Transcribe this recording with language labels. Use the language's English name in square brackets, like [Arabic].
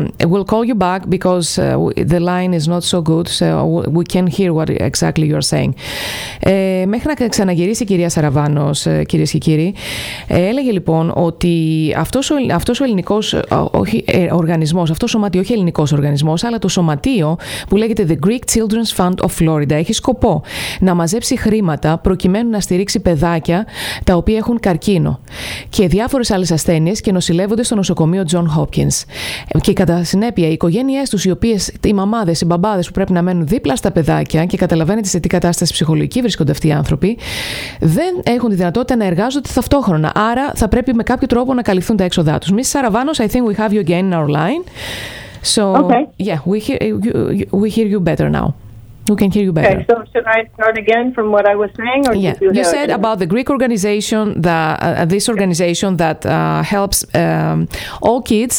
[English] We'll call you back because the line is not so good, so we can hear what exactly you're saying. [Greek] Μέχρι να ξαναγυρίσει η κυρία Σαραβάνος, κυρίες και κύριοι, έλεγε λοιπόν ότι αυτός ο ελληνικός οργανισμός, αυτός ο σωματείο, όχι ελληνικός οργανισμός, αλλά το σωματείο που λέγεται The Greek Children's Fund of Florida, έχει σκοπό να μαζέψει χρήματα προκειμένου να στηρίξει παιδάκια τα οποία έχουν καρκίνο και διάφορες άλλες ασθένειες και νοσηλεύονται στο νοσοκομείο John Hopkins. Και κατά συνέπεια, οι οικογένειές τους, οι μαμάδες, οι μπαμπάδες που πρέπει να μένουν δίπλα στα παιδάκια και καταλαβαίνετε σε τι κατάσταση ψυχολογική βρίσκονται αυτοί οι άνθρωποι, δεν έχουν τη δυνατότητα να εργάζονται ταυτόχρονα. Άρα θα πρέπει με κάποιο τρόπο να καλυφθούν τα έξοδά τους. [English] Mrs. Saravanos, I think we have you again in our line. So, okay. Yeah, we hear you better now. We can hear you better. Okay, so should I start again from what I was saying? Or yeah, you said it? About the Greek organization, this organization that helps all kids.